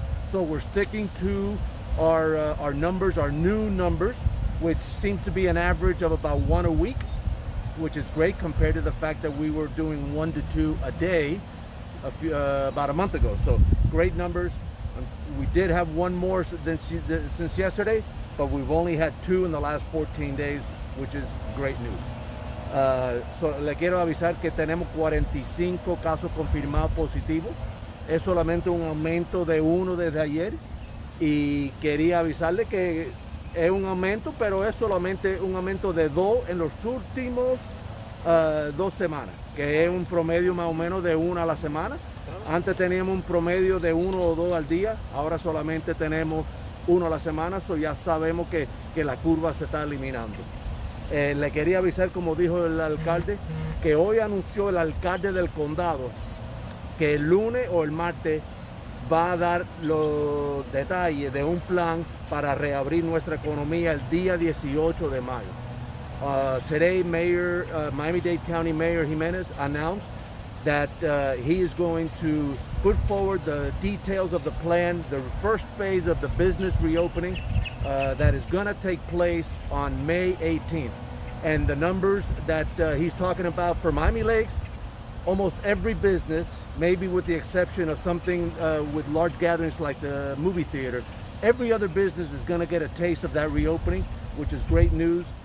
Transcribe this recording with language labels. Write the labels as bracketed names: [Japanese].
[English] So we're sticking to our numbers, our new numbers, which seems to be an average of about one a week, which is great compared to the fact that we were doing one to two a day about a month ago. So great numbers. We did have one more since yesterday, but we've only had two in the last 14 days, which is great news. [Spanish] So le quiero avisar que tenemos 45 casos confirmados positivos. Es solamente un aumento de uno desde ayer. Y quería avisarle que es un aumento, pero es solamente un aumento de dos en los últimos dos semanas, que es un promedio más o menos de una a la semana. Antes teníamos un promedio de uno o dos al día. Ahora solamente tenemos uno a la semana, so ya sabemos que la curva se está eliminando. Le quería avisar, como dijo el alcalde, que hoy anunció el alcalde del condado que el lunes o el martes va a dar los detalles de un plan para reabrir nuestra economía el día 18 de mayo. [English] Today, Mayor Miami-Dade County Mayor Jimenez announced that he is going to put forward the details of the plan, the first phase of the business reopening that is gonna take place on May 18th. And the numbers that he's talking about for Miami Lakes, almost every business, maybe with the exception of something with large gatherings like the movie theater, every other business is gonna get a taste of that reopening, which is great news.